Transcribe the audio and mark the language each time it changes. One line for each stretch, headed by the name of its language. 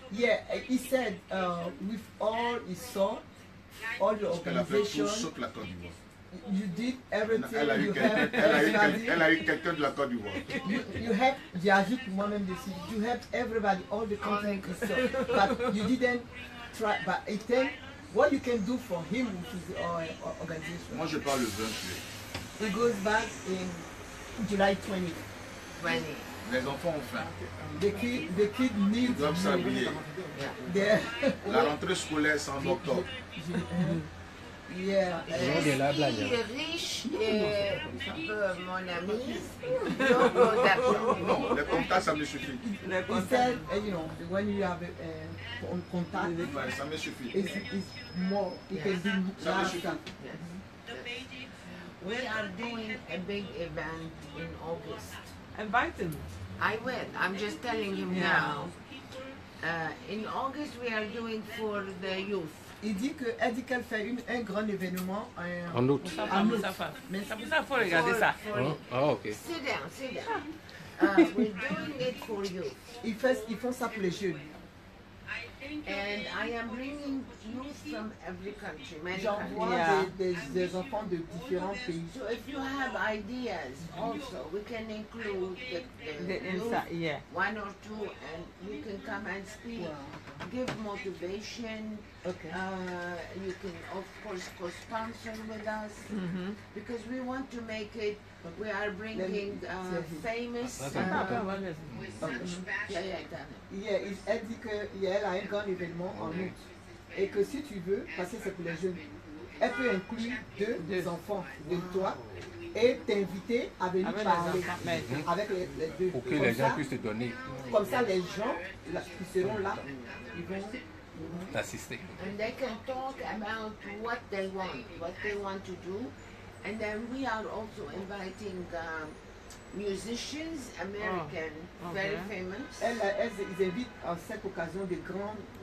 English: Yeah, he said, with all he saw, all your organization. You did everything.
French: Elle a eu quelqu'un de la Côte d'Ivoire.
English: You helped Yazid
French: moi-même aussi.
English: You helped everybody, all the company. So, but you didn't try. But it then, what you can do for him, which is our organization.
French: Moi, je parle le 20.
English: He goes back in July 20. 20.
French: Les enfants ont faim.
English: The kid needs.
French: Ils doivent s'habiller.
English: Yeah.
French: La rentrée scolaire c'est en octobre.
English: Yeah,
French: je suis riche et mon ami, non, le contact ça me suffit. Le
English: contact, you know, when you have a contact,
French: ouais, ça me suffit.
English: It's more, it can be more.
French: Ça me suffit.
English: We are doing a big event in August. Invite him. I will. I'm just telling him now. In August we are doing for the youth.
French: Il dit que elle dit qu'elle fait un grand événement en août. Mais ça faut regarder ça.
English: Ah oh, ok. Sit down. We're doing it for you.
French: Ils font ça pour les jeunes.
English: And I am bringing youth from every country.
French: J'envoie des enfants de différents pays.
English: So if you have ideas, also we can include the youth, inside, yeah. One or two, and you can come and speak, yeah. Give motivation. Okay. You can of course co-sponsor with us, mm-hmm. Because we want to make it. We are bringing famous.
French: Elle a un grand événement en août. Et que si tu veux, parce que c'est pour les jeunes, elle peut inclure deux enfants de toi et t'inviter à venir avec parler avec les deux. Pour que les gens puissent te donner. Comme ça, les gens là, qui seront là, ils vont t'assister.
English: And they can talk about what they want to do. And then we are also inviting musicians, American, very famous.
French: Elle ils invitent en cette occasion des grands,